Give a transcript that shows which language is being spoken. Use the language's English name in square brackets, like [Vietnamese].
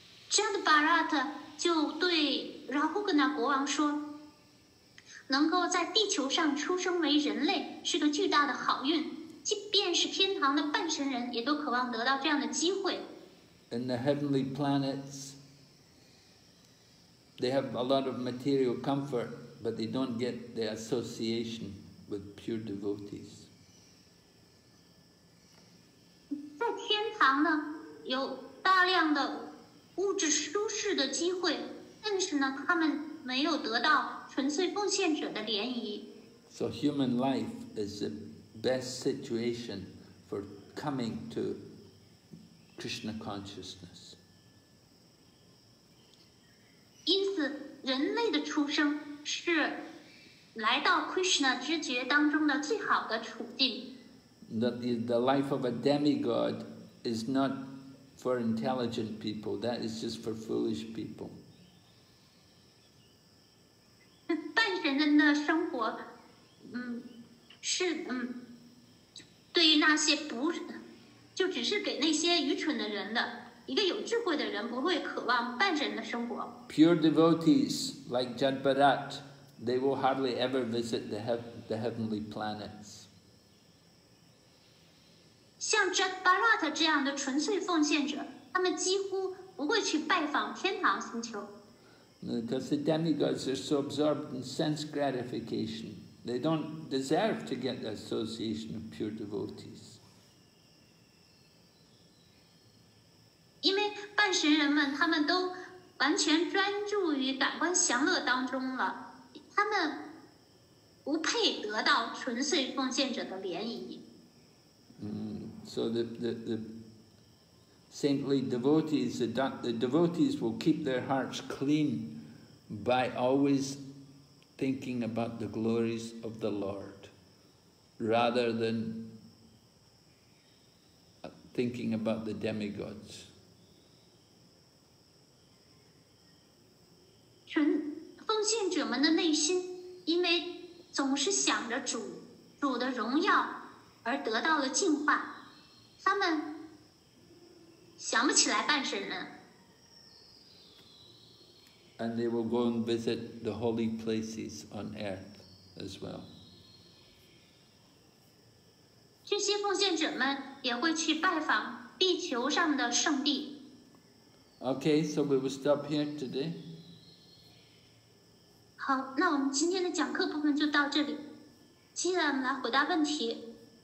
[Chinese] Jadbharat 就对 Rahugana 国王说，能够在地球上出生为人类是个巨大的好运，即便是天堂的半神人也都渴望得到这样的机会。 [English] In the heavenly planets, they have a lot of material comfort, but they don't get the association with pure devotees. [Chinese] 在天堂呢，有大量的物质舒适的机会，但是呢，他们没有得到纯粹奉献者的联谊。 [English] So human life is the best situation for coming to. Krishna consciousness. [Chinese] 因此，人类的出生是来到 Krishna 知觉当中的最好的处境。 [English] The life of a demigod is not for intelligent people. That is just for foolish people. [Chinese] 半神人的生活，对于那些不。就只是给那些愚蠢的人的，一个有智慧的人不会渴望半神的生活。 [English] Pure devotees like Jadbharat, they will hardly ever visit the heavenly planets. [Chinese] 像 Jadbharat 这样的纯粹奉献者，他们几乎不会去拜访天堂星球。 [English] Because the demigods are so absorbed in sense gratification, they don't deserve to get the association of pure devotees. [Chinese] 因为半神人们他们都完全专注于感官享乐当中了，他们不配得到纯粹奉献者的联谊。 [English] So the saintly devotees, the devotees will keep their hearts clean by always thinking about the glories of the Lord rather than thinking about the demigods. [Chinese] 奉献者们的内心，因为总是想着主的荣耀而得到了净化，他们想不起来半神人。 [English] And they will go and visit the holy places on earth as well. [Chinese] 这些奉献者们也会去拜访地球上的圣地。 [English] Okay, so we will stop here today. [Chinese] 好，那我们今天的讲课部分就到这里，接下来我们来回答问题。